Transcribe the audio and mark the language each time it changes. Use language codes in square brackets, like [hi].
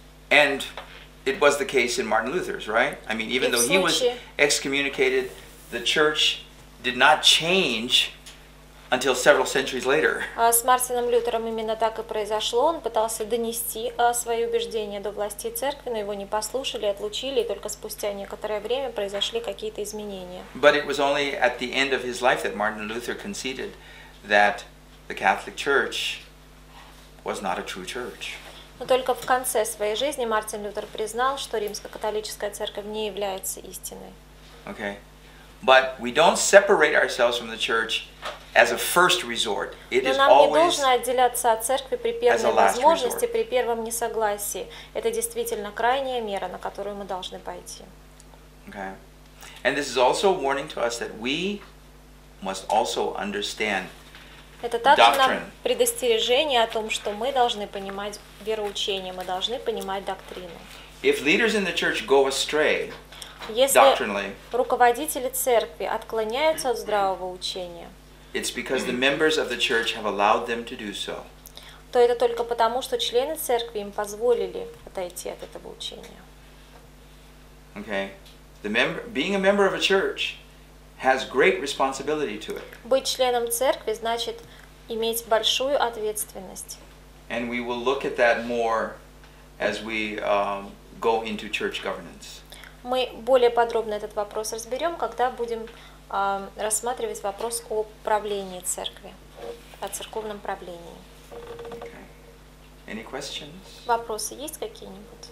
[en] And it was the case in Martin Luther's, right? I mean, even though he was excommunicated, the church did not change until several centuries later. [ru] С Мартином Лютером именно так и произошло. Он пытался донести свои убеждения до властей церкви, но его не послушали, отлучили, и только спустя некоторое время произошли какие-то изменения. [en] But it was only at the end of his life that Martin Luther conceded that the Catholic Church was not a true church. [ru] Но только в конце своей жизни Мартин Лютер признал, что Римско-католическая церковь не является истиной. [en] Okay. But we don't separate ourselves from the church as a first resort. It is always. [ru] Но нам не нужно отделяться от церкви при первой возможности, при первом несогласии. Это действительно крайняя мера, на которую мы должны пойти. [en] Okay. And this is also a warning to us that we must also understand doctrine. [ru] Это также нам предостережение о том, что мы должны понимать вероучение, мы должны понимать доктрину. [en] If leaders in the church go astray. [ru] Если руководители церкви отклоняются от здравого учения, [en] it's because the members of the church have allowed them to do so. [ru] То это только потому, что члены церкви им позволили отойти от этого учения. [en] Okay. Being a member of a church has great responsibility to it. [ru] Быть членом церкви значит иметь большую ответственность. [en] And we will look at that more as we go into church governance. [ru] Мы более подробно этот вопрос разберем, когда будем рассматривать вопрос о правлении церкви, о церковном правлении. [en] Okay. Any questions? [ru] Вопросы есть какие-нибудь?